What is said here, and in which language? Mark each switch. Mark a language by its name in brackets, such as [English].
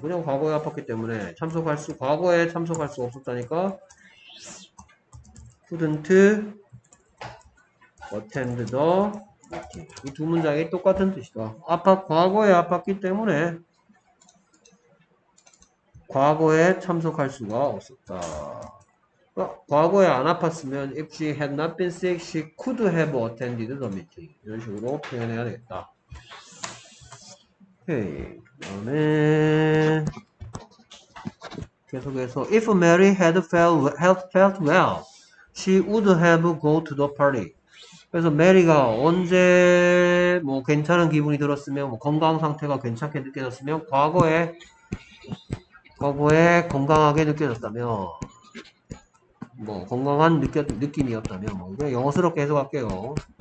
[Korean] 그냥 과거에 아팠기 때문에 과거에 참석할 수 없었다니까. [English] Couldn't attend the [Korean] 이두 문장이 똑같은 뜻이다. 과거에 아팠기 때문에 과거에 참석할 수가 없었다. 과거에 안 아팠으면 [English] if she had not been sick, she could have attended the meeting. [Korean] 이런 식으로 표현해야 되겠다. 오케이. [English] 그다음에 계속해서 if Mary had felt well, she would have go to the party. [Korean] 그래서 메리가 언제 뭐 괜찮은 기분이 들었으면 뭐 건강 상태가 괜찮게 느껴졌으면 과거에 건강하게 느껴졌다면 뭐 건강한 느낌이었다면 뭐 그냥 영어스럽게 해석할게요.